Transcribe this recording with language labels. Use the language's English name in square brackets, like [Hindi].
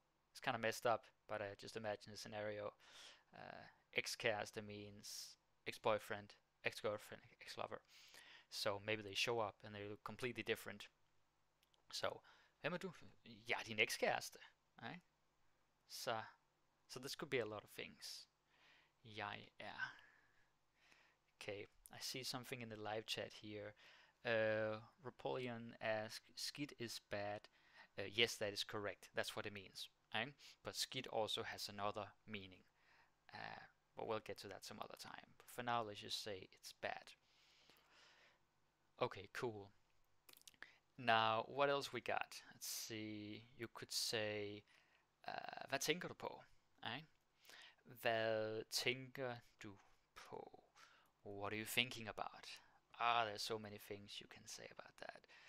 [English] It's kind of messed up, but just imagine a scenario. Ekskæreste means ex-boyfriend, ex-girlfriend, ex-lover. So maybe they show up and they look completely different. [Danish] So, hvem er du? Jeg er din ekskæreste, right? [English] So this could be a lot of things. [Danish] Jeg er. [English] Okay, I see something in the live chat here. Rapoleon asks, skidt is bad. Yes, that is correct. That's what it means. Right? But skidt also has another meaning. But we'll get to that some other time. But for now, let's just say it's bad. Okay, cool. Now, what else we got? Let's see. You could say, [Danish] hvad tænker du på? Right? Hvad tænker du på? [English] What are you thinking about? Ah, there's so many things you can say about that.